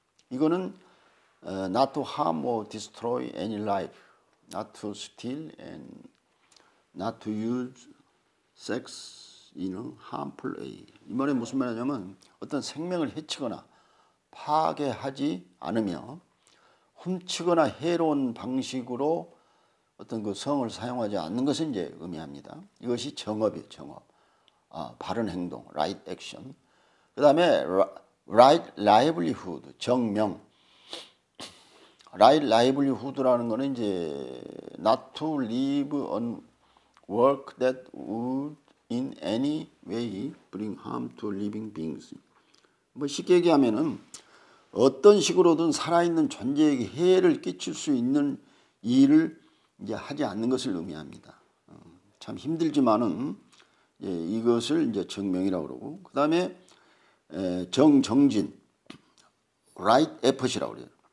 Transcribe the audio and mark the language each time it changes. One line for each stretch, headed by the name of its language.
Korean: 이거는
English: not to harm or destroy any life, not to steal and not to use sex in a harmful way.
Korean: 이 말이 무슨 말이냐면 어떤 생명을 해치거나 파괴하지 않으며 훔치거나 해로운 방식으로 어떤 그 성을 사용하지 않는 것을 이제 의미합니다. 이것이 정업이에요, 정업. 바른 행동, right action. 그 다음에 right livelihood, 정명.
English: right livelihood라는
Korean: 거는 이제
English: not to live on work that would in any way bring harm to living beings.
Korean: 뭐 쉽게 얘기하면은 어떤 식으로든 살아있는 존재에게 해를 끼칠 수 있는 일을 이제 하지 않는 것을 의미합니다. 참 힘들지만은 예, 이것을 이제 정명이라고 그러고 그 다음에 정정진 right effort이라고 그래요.